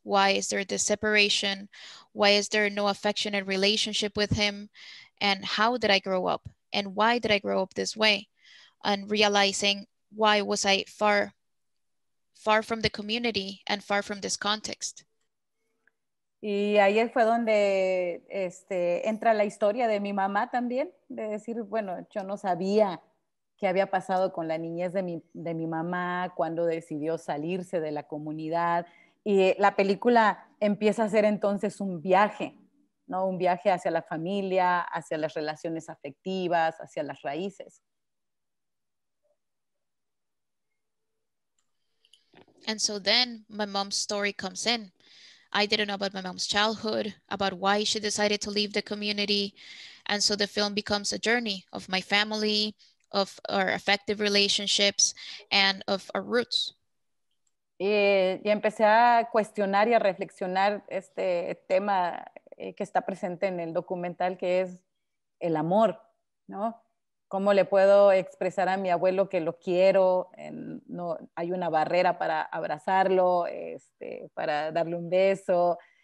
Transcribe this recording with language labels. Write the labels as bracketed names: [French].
[English] Why is there this separation? Why is there no affectionate relationship with him? And how did I grow up? And why did I grow up this way? And realizing why was I far, far from the community and far from this context? [Spanish] Y ahí fue donde entra la historia de mi mamá también, de decir, bueno, yo no sabía qué había pasado con la niñez de mi mamá, cuando decidió salirse de la comunidad. Y la película empieza a ser entonces un viaje, ¿no? Un viaje hacia la familia, hacia las relaciones afectivas, hacia las raíces. [English] And so then my mom's story comes in. I didn't know about my mom's childhood, about why she decided to leave the community. And so the film becomes a journey of my family, of our affective relationships, and of our roots. [Spanish] Y empecé a cuestionar y a reflexionar este tema que está presente en el documental, que es el amor, ¿no? ¿Cómo le puedo expresar a mi abuelo que lo quiero? No hay una barrera para abrazarlo, para darle un beso.